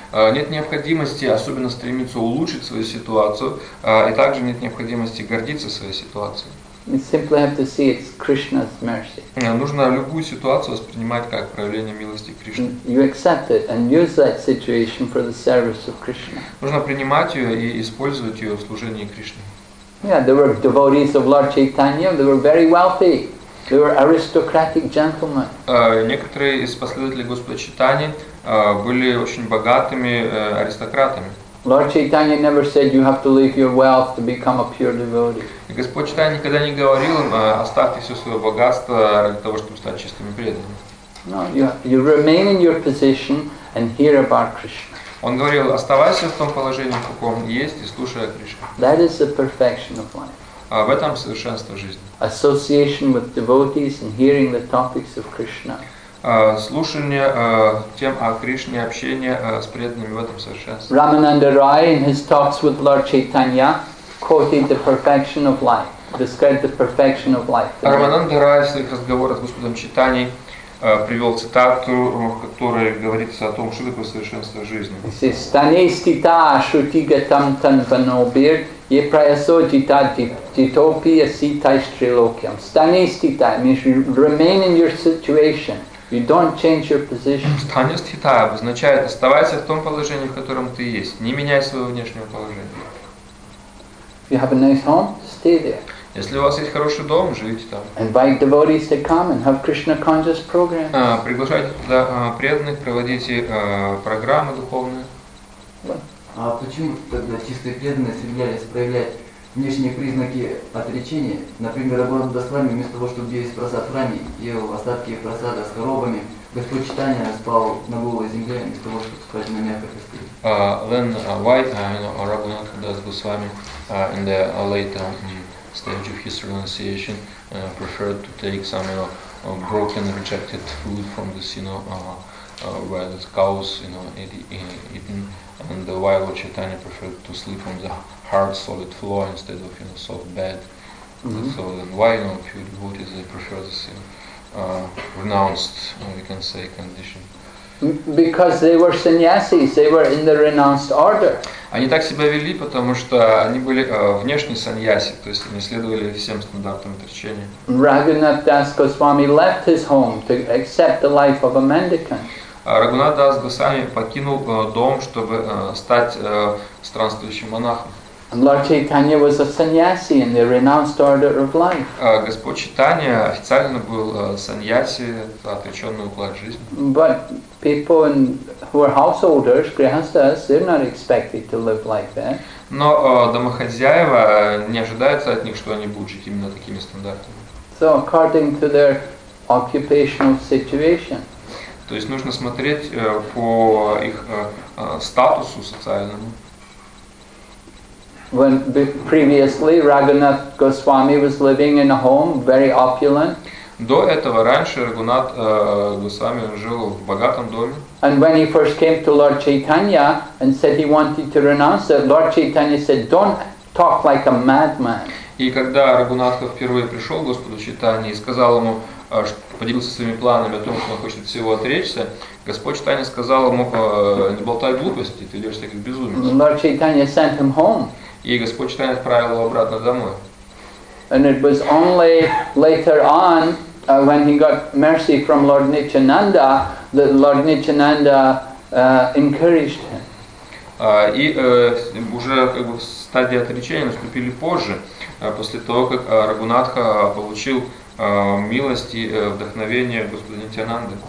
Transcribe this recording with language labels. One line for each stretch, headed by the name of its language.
Russian: Нет необходимости особенно стремиться улучшить свою ситуацию, и также нет необходимости гордиться своей ситуацией.
English: You simply have to see it's Krishna's mercy.
Russian: Нужно любую ситуацию воспринимать как проявление милости Кришны.
English: You accept it and use that situation for the service of Krishna.
Russian: Нужно принимать ее и использовать ее в служении Кришне.
English: Yeah, there were devotees of Lord Chaitanya. They were very wealthy. They were aristocratic gentlemen.
Russian: Некоторые из последователей Господа Чайтаньи были очень богатыми аристократами.
English: Lord Chaitanya never said you have to leave your wealth to become a pure devotee.
Russian: Господь Читания никогда не говорил им, оставьте все свое богатство для того, чтобы стать чистыми преданными.
English: No, you remain in your position and hear about Krishna.
Russian: Он говорил, оставайся в том положении, в каком есть, и слушай о Кришне.
English: That is the perfection of life.
Russian: В этом совершенство жизни.
English: Association with devotees and hearing the topics of Krishna.
Russian: Слушание тем о Кришне, общение с преданными в этом совершенстве.
English: Рамананда Рай in his talks with Lord Chaitanya quoted the perfection of life, described the perfection of life.
Russian: Рамананда Рай в своих разговорах с Господом Чайтаньей привел цитату, в которой говорится о том, что такое совершенство жизни.
English: He says,
Sanskrit: «Станестита шутигатам танпанобир, епраясо дитопи аситай стрелокиам».
English: «Станестита» means you remain in your situation. You don't change your position.
Russian: «Станестита» означает «оставайся в том положении, в котором ты есть. Не меняй своего внешнего положения».
English: If you have a nice home, stay there.
Russian: Если у вас есть хороший дом, живите там.
English: Invite devotees to come and have Krishna conscious program.
Russian: Приглашайте туда преданных, проводите программы духовные. А почему тогда чистые преданные стремились проявлять внешние признаки отречения, например, оборот дасвами, вместо того, чтобы есть просад в храме, ел остатки просада с коробами, Господь Читания спал на голой земле, вместо того, чтобы спать на мягкой постели?
English: Then why Raghunath Das Goswami in the later stage of his renunciation preferred to take some broken rejected food from this where the cows eaten, and the while Chaitanya preferred to sleep on the hard solid floor instead of soft bed. Mm-hmm. So then why few devotees they prefer this renounced condition? Because they were sannyasis, they were in the renounced order.
Russian: Они так себя вели, потому что они были внешне саньяси, то есть они следовали всем стандартам отречения.
English: Raghunath Das Goswami left his home to accept the life of a mendicant.
Russian: Raghunath Das Goswami покинул дом, чтобы стать странствующим монахом.
English: And Lord Chaitanya was a sannyasi in the renounced order of life.
Russian: Господь Читания официально был саньяси, отреченный уклад жизни.
English: But people who are householders, grihasthas, they're not expected to live like that.
Russian: Но домохозяева не ожидается от них, что они будут жить именно такими стандартами.
English: So according to their occupational situation.
Russian: То есть нужно смотреть по их статусу социальному.
English: When previously Raghunath Goswami was living in a home very opulent.
Russian: До этого раньше Рагунат Госвами жил в богатом доме.
English: And when he first came to Lord Chaitanya and said he wanted to renounce it, Lord Chaitanya said, "Don't talk like a madman."
Russian: И когда Рагунатха впервые пришел к Господу Чайтанье и сказал ему, поделился своими планами о том, что он хочет всего отречься, Господь Чайтанья сказал ему, не болтай глупости, ты ведешься как безумец.
English: Lord Chaitanya sent him home.
Russian: И Господь Чайтанья отправил его обратно домой.
English: And it was only later on, when he got mercy from Lord Nityananda, that Lord Nityananda encouraged him.
Russian: И уже стадии отречения наступили позже, после того, как Рагунатха получил милость и вдохновение Господа Нитянанды.